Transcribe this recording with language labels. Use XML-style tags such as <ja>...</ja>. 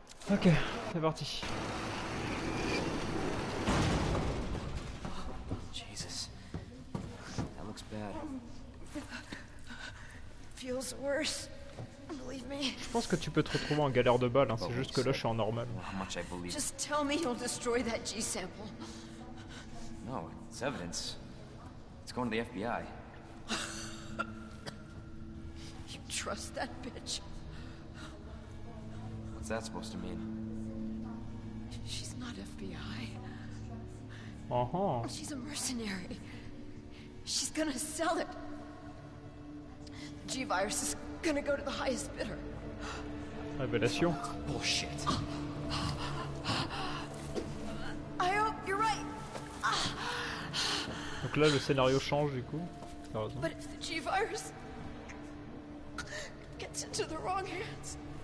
<fr>Ok, c'est parti.</fr> <en>Jesus. That looks bad. Feels worse.</en> <fr>Je pense que tu peux te retrouver en galère de balles, hein. C'est juste que là, je suis en normal.</fr> <en>Just tell me you'll destroy that G sample. No, it's evidence. It's going to the FBI. You trust that bitch? What's that supposed to mean? She's not FBI. Uh-huh. She's a mercenary. She's gonna sell it. G virus is gonna go to the highest bidder.</en> <fr>Révélation.</fr> <en>Bullshit. I hope you're right.</en> <fr>Donc là, le scénario change du coup.</fr> <en>But if the G virus gets into the wrong hands,</en>